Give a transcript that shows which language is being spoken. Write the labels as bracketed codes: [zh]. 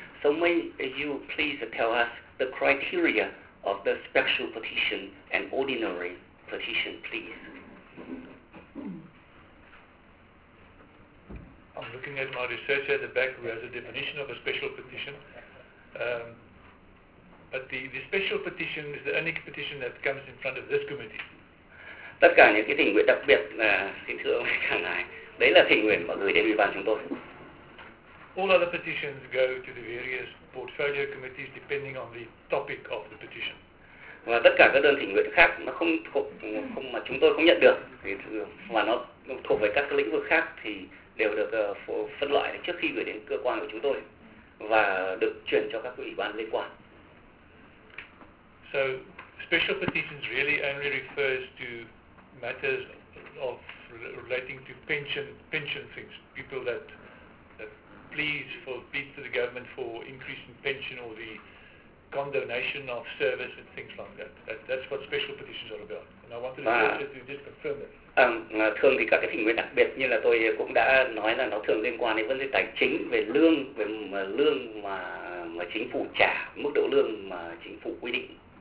[en] So may you please tell us the criteria of the special petition and ordinary petition, please. I'm looking at my research at the back, who has a definition of a special petition. But the special petition is the only petition that comes in front of this committee. [vi] Tất cả những cái tình nguyện đặc biệt, xin thưa ông hàng ngày. Đấy là thỉnh nguyện mà gửi đến ủy ban chúng tôi. [en] All other petitions go to the various portfolio committees depending on the topic of the petition. [vi] Và tất cả các đơn thỉnh nguyện khác nó không thuộc, không mà chúng tôi không nhận được thì mà nó thuộc về các lĩnh vực khác thì đều được phân loại trước khi gửi đến cơ quan của chúng tôi và được chuyển cho các ủy ban liên quan. [en] So special petitions really only refers to matters of relating to pension things, people that plead to the government for increase in pension or the condonation of service and things like that. That's what special petitions are about. And I wanted to just confirm that. [vi] Thường thì các cái thỉnh nguyện đặc biệt như là tôi cũng đã nói là nó thường liên quan đến vấn đề tài chính, về lương mà chính phủ trả, mức độ lương mà chính phủ quy định.